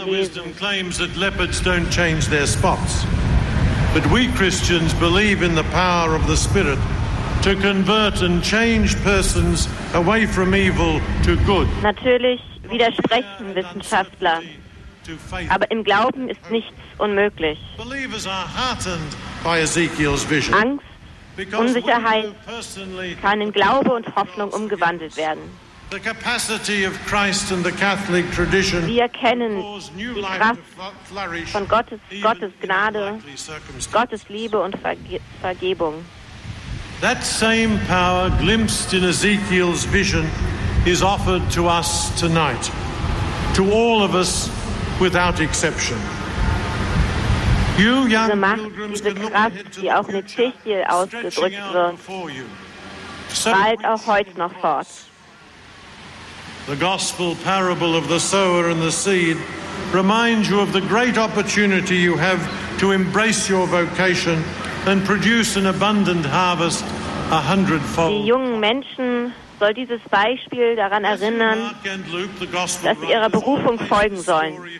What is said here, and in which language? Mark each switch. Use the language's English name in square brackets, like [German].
[English] Secular wisdom claims that leopards don't change their spots. But we Christians believe in the power of the Spirit to convert and change persons away from evil to good. [German] Natürlich widersprechen Wissenschaftler, aber im Glauben ist nichts unmöglich. Angst, Unsicherheit kann in Glaube und Hoffnung umgewandelt werden. Wir kennen die Kraft von Gottes Gnade, Gottes Liebe und Vergebung. [English] That same power glimpsed in Ezekiel's vision is offered to us tonight, to all of us without exception. You young pilgrims can look ahead to the future, stretching out before you. [German] So auch heute noch fort. [English] The gospel parable of the sower and the seed reminds you of the great opportunity you have to embrace your vocation and produce an abundant harvest. [German] Die jungen Menschen soll dieses Beispiel daran erinnern, dass sie ihrer Berufung folgen sollen.